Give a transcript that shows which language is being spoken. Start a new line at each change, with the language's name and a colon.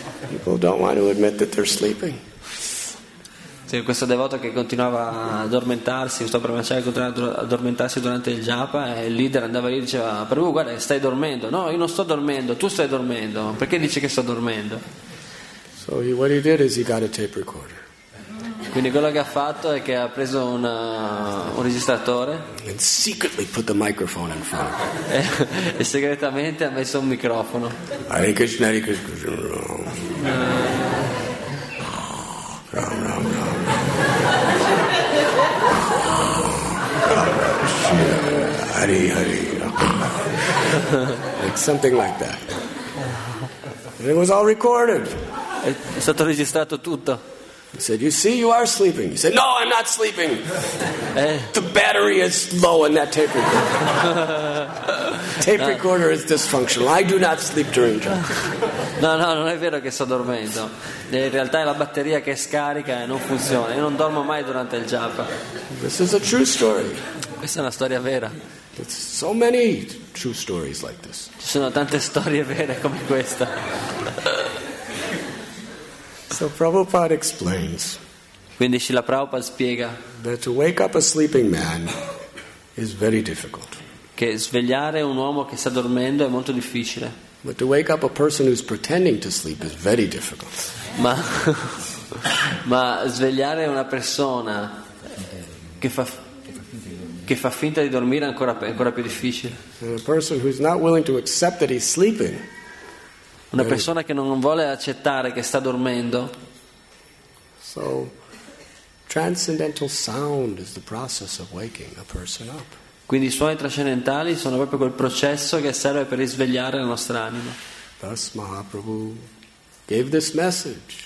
English: People don't want to admit that they're sleeping.
Italian: Sì, questo devoto che continuava a addormentarsi, questo brahmacharya continuava a addormentarsi durante il japa, e il leader andava lì e diceva: Prabhu, guarda, stai dormendo. No, io non sto dormendo, tu stai dormendo. Perché dici che sto dormendo?
English: So he, what he did is he got a tape recorder.
Italian: Quindi quello che ha fatto è che ha preso un registratore
English: and secretly put the microphone in front.
Italian: E segretamente ha messo un microfono.
English: Hare Krishna, Hare Krishna. Hari Hari, like something like that. And it was all recorded.
Italian: È stato registrato tutto.
English: He said, "You see, you are sleeping." He said, "No, I'm not sleeping." The battery is low in that tape recorder. Tape recorder is dysfunctional. I do not sleep during drugs.
Italian: No, no, non è vero che sto dormendo. In realtà è la batteria che è scarica e non funziona. Io non dormo mai durante il japa.
English: This is a true story.
Italian: Questa è una storia vera.
English: There's so many true stories like this.
Italian: Ci sono tante storie vere come questa.
English: So Prabhupada explains.
Italian: Quindi Srila Prabhupada spiega.
English: That to wake up a sleeping man is very difficult.
Italian: Che svegliare un uomo che sta dormendo è molto difficile.
English: But to wake up a person who's pretending to sleep is very difficult.
Italian: Ma svegliare una persona che fa finta di dormire è ancora più difficile.
English: A person who's not willing to accept that he's sleeping.
Italian: Una persona che non vuole accettare che sta dormendo.
English: So transcendental sound is the process of waking a person up.
Italian: Quindi i suoni trascendentali sono proprio quel processo che serve per risvegliare la nostra anima.
English: Thus Mahaprabhu gave this message.